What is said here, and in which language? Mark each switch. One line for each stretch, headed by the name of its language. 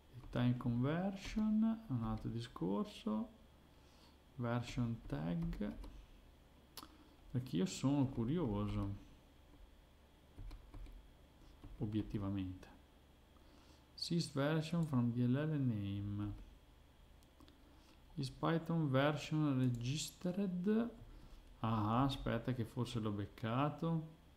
Italian: Time conversion, è un altro discorso. Version tag. Perché io sono curioso, obiettivamente.
English: Sys version from DLL name. Is Python version registered?
Italian: Ah, aspetta che forse l'ho beccato.